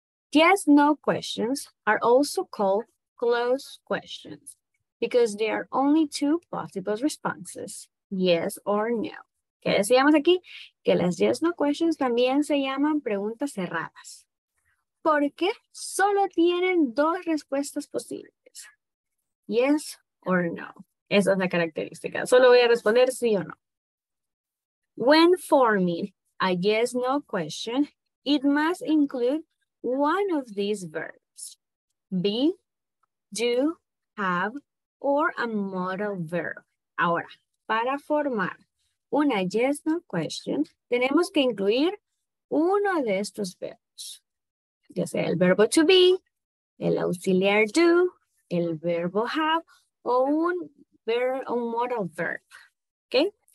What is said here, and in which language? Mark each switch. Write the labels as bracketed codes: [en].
[en] Yes, no questions are also called closed questions, because there are only two possible responses, yes or no. [es] ¿Qué decíamos aquí? Que las yes no questions también se llaman preguntas cerradas, porque solo tienen dos respuestas posibles, [en] yes or no. [es] Esa es la característica, solo voy a responder sí o no. [en] When forming a yes no question, it must include one of these verbs, be, do, have, or a modal verb. [es] Ahora, para formar una yes, no question, tenemos que incluir uno de estos verbos. Ya sea el verbo to be, el auxiliar do, el verbo have, o un verbo, un modal verb. Okay?